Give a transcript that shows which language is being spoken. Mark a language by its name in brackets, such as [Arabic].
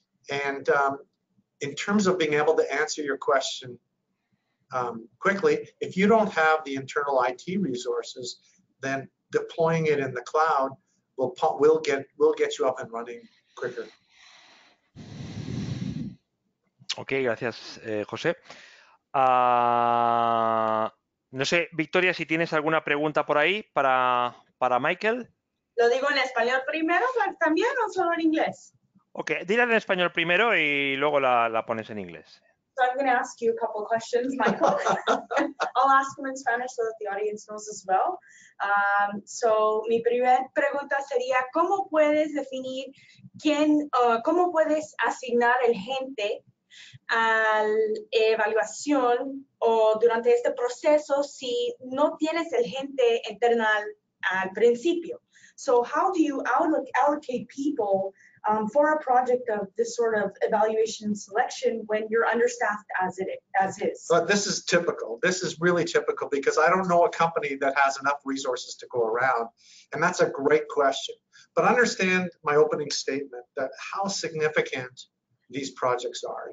[English] And in terms of being able to answer your question quickly, if you don't have the internal IT resources, then deploying it in the cloud will get you up and running quicker. [Spanish] Okay, gracias, José. No sé, Victoria, si tienes alguna pregunta por ahí para Michael. ¿Lo digo en español primero también o solo en inglés? Ok, dila en español primero y luego la pones en inglés. [English] So I'm going to ask you a couple questions, Michael. I'll ask them in Spanish so that the audience knows as well. [Spanish] So mi primera pregunta sería, ¿cómo puedes definir quién, cómo puedes asignar el gente a evaluación o durante este proceso si no tienes el gente internal al principio? [English] So how do you allocate people for a project of this sort of evaluation selection when you're understaffed as is? But this is typical. This is really typical because I don't know a company that has enough resources to go around. And that's a great question. But understand my opening statement that how significant these projects are.